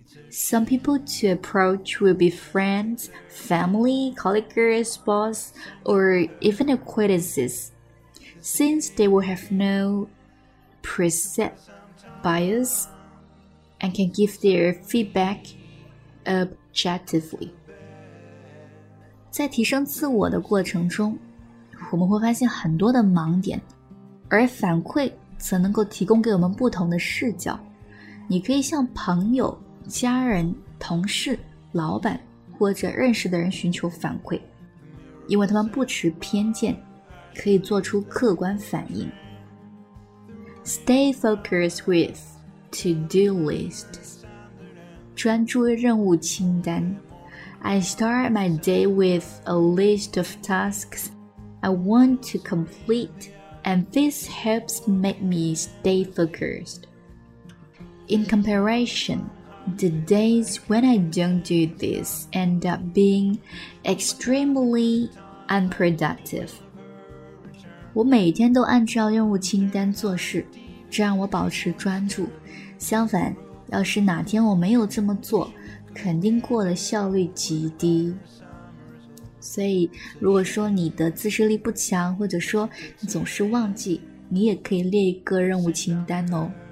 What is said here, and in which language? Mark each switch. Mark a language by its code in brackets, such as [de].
[en] Some people to approach will be friends, family, colleagues, boss, or even acquaintances, since they will have no preset bias and can give their feedback objectively. [zh] 在提升自我的过程中，我们会发现很多的盲点，而反馈则能够提供给我们不同的视角。你可以向朋友、家人、同事、老板或者认识的人寻求反馈，因为他们不持偏见，可以做出客观反应。 [en] Stay focused with to-do lists， [zh] 专注于任务清单。 [en] I start my day with a list of tasksI want to complete, and this helps make me stay focused. In comparison, the days when I don't do this end up being extremely unproductive. [zh] 我每天都按照任务清单做事，这让我保持专注。相反，要是哪天我没有这么做，肯定过得效率极低。所以如果说你的自制力不强，或者说你总是忘记，你也可以列一个任务清单哦。